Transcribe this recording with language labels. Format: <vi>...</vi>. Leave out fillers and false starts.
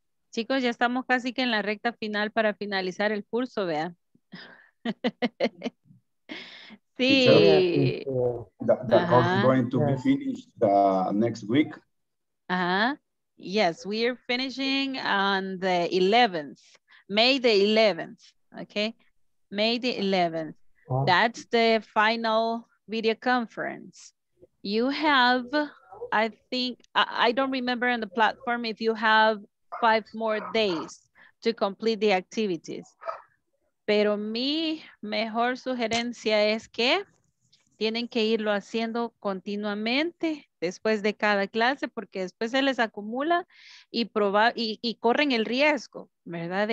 <es>Chicos, ya estamos casi que en la recta final para finalizar el curso, vea. Sí.</es> <en>The course is going to be finished next week. Yes, we are finishing on the 11th, May the 11th, okay? May the 11th. That's the final video conference. You have, I don't remember on the platform if you have 5 more days to complete the activities.</en> <es>Pero mi mejor sugerencia es que tienen que irlo haciendo continuamente después de cada clase porque después se les acumula y corren el riesgo, ¿verdad?</es>